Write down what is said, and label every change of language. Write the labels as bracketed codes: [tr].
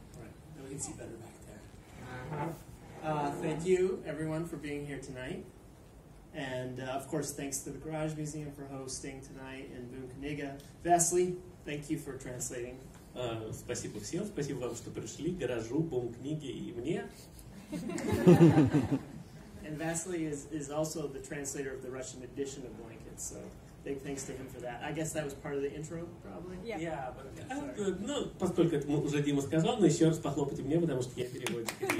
[en] All right. Then we can see better back there. Thank you, everyone, for being here tonight. And, of course, thanks to the Garage Museum for hosting tonight and Boom Kniga. Vasily, thank you for translating. [ru] Спасибо всем, спасибо вам, что пришли, Гаражу, Бум книги и мне. [en] And Vasily is also the translator of the Russian edition of Blankets, so big thanks to him for that. I guess that was part of the intro, probably? Yeah, but [ru] ну, поскольку это уже Дима сказал, но еще раз похлопайте мне, потому что я переводчик.